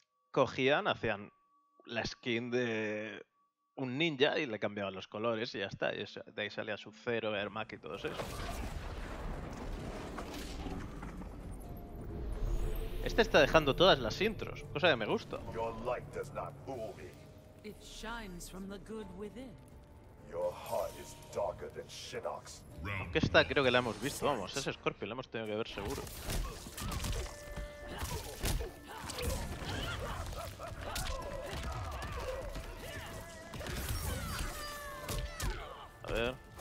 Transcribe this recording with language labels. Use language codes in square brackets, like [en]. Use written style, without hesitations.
[es] cogían, hacían la skin de... un ninja y le cambiaban los colores y ya está. Y de ahí salía su Zero, Air Mac y todo eso. Este está dejando todas las intros, cosa que me gusta. [en] Your light does not fool me. It shines from the good within. Your heart is darker than Shinnok's. [es] Aunque esta creo que la hemos visto, vamos, ese Scorpio la hemos tenido que ver seguro. A ver.